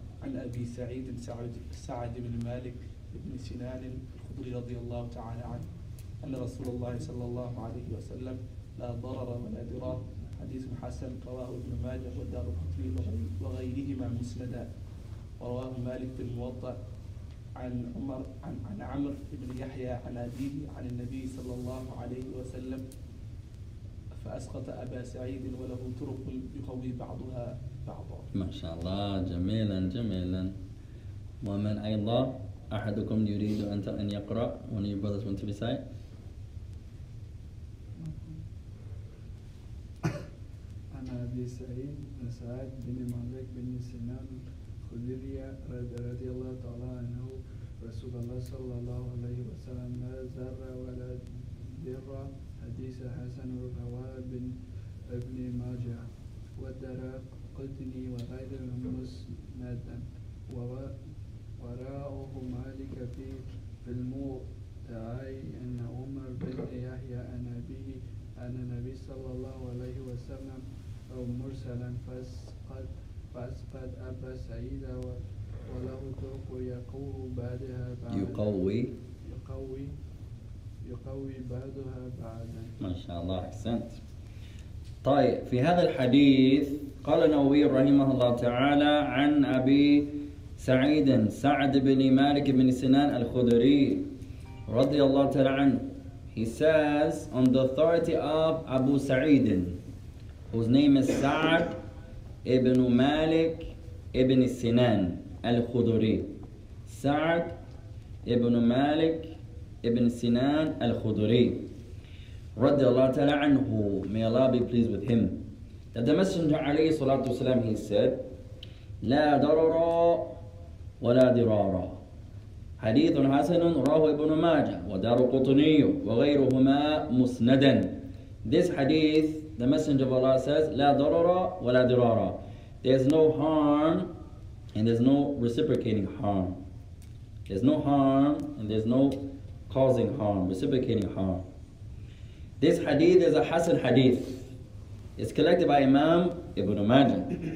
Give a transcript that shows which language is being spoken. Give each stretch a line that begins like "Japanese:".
Arabic: عن أبي سعيد سعد بن مالك بن سنان الخدري رضي الله تعالى عنه أن رسول الله صلى الله عليه وسلم لا ضرر ولا ضرار حديث حسن رواه ابن ماجه والدارقطني وغيرهما مسندا. ورواه مالك في الموطأ عن عمر عن عمرو بن يحيى عن أبيه عن النبي صلى الله عليه وسلم فأسقط أبا سعيد وله طرق يقوي بعضها بعضا. ما شاء الله جميلا جميلا. ومن أيضا أحدكم يريد أن يقرأ
English: one of your brothers want to recite.
Arabic: أنا أبي سعيد سعد بن مالك بن سنان الخدري رضي الله تعالى عنه رسول الله صلى الله عليه وسلم لا زر ولا ضر حديث حسن رواه ابن ماجه والدار قطني وغيره مسندا وراءه مالك في الموطأ أن عمر بن يحيى عن أبيه أن النبي صلى الله عليه وسلم مرسلا فأسقط أبا سعيد وله طرق يقوي بعدها بعدا. ما شاء الله أحسنت. طيب في هذا الحديث قال النووي رحمه الله تعالى عن أبي سعيد سعد بن مالك بن سنان الخدري رضي الله تعالى عنه.
English: He says on the authority of Abu Sa'id, whose name is Sa'd ibn Malik ibn Sinan al-Khudri. Sa'd ibn Malik ibn Sinan al-Khudri.
Arabic: رضي الله تعالى عنه.
English: May Allah be pleased with him. That the Messenger
Arabic: عليه الصلاة والسلام,
English: he said,
Arabic: لا ضرر ولا ضرار. حديث حسن رواه ابن ماجه ودارقطني وغيرهما مسندا.
English: This hadith, the Messenger of Allah says,
Arabic: لا ضرر ولا ضرار.
English: There's no harm and there's no reciprocating harm. There's no harm and there's no causing harm, reciprocating harm. This hadith is a Hasan hadith. It's collected by Imam Ibn Majah.